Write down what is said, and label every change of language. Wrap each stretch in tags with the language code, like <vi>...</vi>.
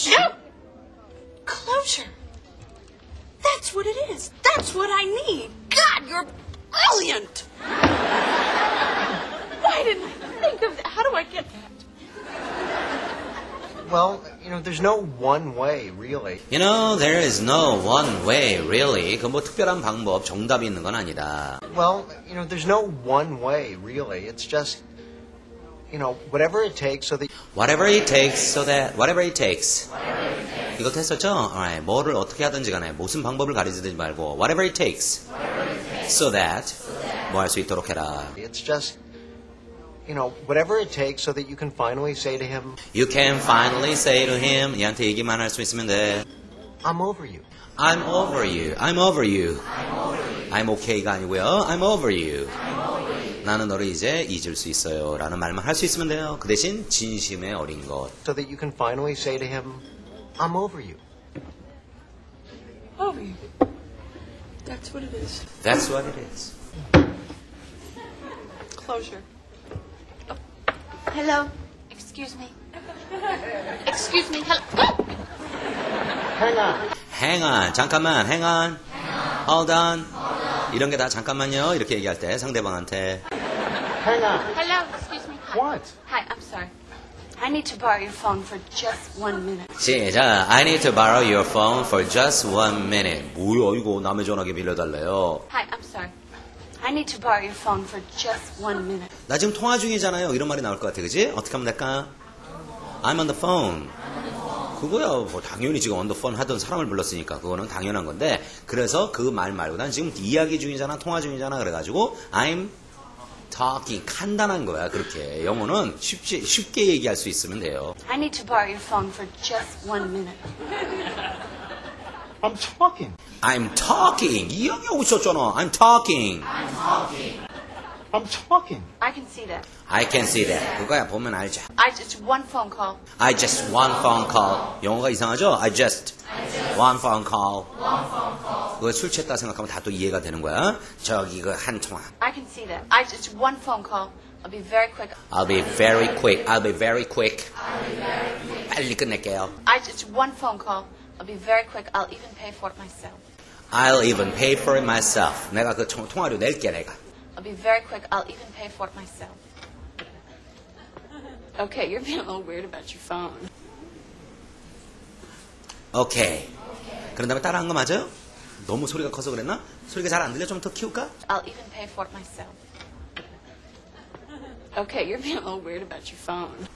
<en>No! Closure? That's what it is. That's what I need. God, you're brilliant! Why didn't I think of that? How do I get that? Well, you know, there's no one way, really. You know, there is no one way, really.</en> <ko>그 뭐 특별한 방법, 정답이 있는 건 아니다.</ko> <en>Well, you know, there's no one way, really. It's just, you know, whatever it takes so that... Whatever it takes so that... Whatever it takes. Whatever it takes.</en> <ko>이것도 했었죠? Alright, 뭐를 어떻게 하든지 간에, 무슨 방법을 가리지든지 말고,</ko> <en>whatever it takes. Whatever it takes. So that... So that.</en> <ko>뭐 할 수 있도록 해라.</ko> <en>It's just... You know, whatever it takes so that you can finally say to him... You can finally say to him...</en> <ko>얘한테 얘기만 할 수 있으면 돼.</ko> <en>I'm over you. I'm over you. I'm over you. I'm over you. I'm okay가</en> <ko>아니고요.</ko> <en>I'm over you. I'm over you.</en> <ko>나는 너를 이제 잊을 수 있어요. 라는 말만 할 수 있으면 돼요. 그 대신 진심의 어린 것.</ko> <en>So that you can finally say to him... I'm over you. Over you. That's what it is. That's what it is. Closure. Hello. Excuse me. Hello. Hang on. Hang on.</en> <ko>잠깐만.</ko> <en>Hang on. Hang on. Hold on. Hold on.</en> <ko>이런 게 다 잠깐만요. 이렇게 얘기할 때 상대방한테.</ko> <en>Hang on. Hello. Excuse me. What? Hi. I'm sorry. I need to borrow your phone for just one minute.</en> <ko>시작.</ko> <en>I need to borrow your phone for just one minute.</en> <ko>뭐야 이거 남의 전화기 빌려달래요.</ko> <en>Hi. I'm sorry. I need to borrow your phone for just one minute.</en> <ko>나 지금 통화 중이잖아요. 이런 말이 나올 것 같아, 그지? 어떻게 하면 될까?</ko> <en>I'm on the phone.</en> <ko>그거야, 뭐 당연히 지금 on the phone 하던 사람을 불렀으니까 그거는 당연한 건데 그래서 그 말 말고 난 지금 이야기 중이잖아, 통화 중이잖아 그래가지고</ko> <en>I'm talking,</en> <ko>간단한 거야, 그렇게. 영어는 쉽게 얘기할 수 있으면 돼요.</ko> <en>I need to borrow your phone for just one minute. I'm talking. I'm talking.</en> <ko>이 형이 오셨잖아.</ko> <en>I'm talking. I'm talking. I'm talking. I can see that. I can see that.</en> <ko>그거야 보면 알죠.</ko> <en>I just one phone call. I just one phone call.</en> <ko>영어가 이상하죠?</ko> <en>I just one phone call. One phone call.</en> <ko>그거 술 취했다 생각하면 다 또 이해가 되는 거야. 저기 그 한 통화.</ko> <en>I can see that. I just one phone call. I'll be very quick. I'll be very quick. I'll be very quick.</en> <ko>빨리 끝낼게요.</ko> <en>I just one phone call. I'll be very quick. I'll even pay for it myself. I'll even pay for it myself.</en> <ko>내가 그 통화료 낼게 내가.</ko> <en>I'll be very quick. I'll even pay for it myself. Okay, you're being a little weird about your phone. Okay.</en> <ko>그런 다음에 따라한 거 맞아요? 너무 소리가 커서 그랬나? 소리가 잘 안 들려? 좀 더 키울까?</ko> <en>I'll even pay for it myself. Okay, you're being a little weird about your phone.</en>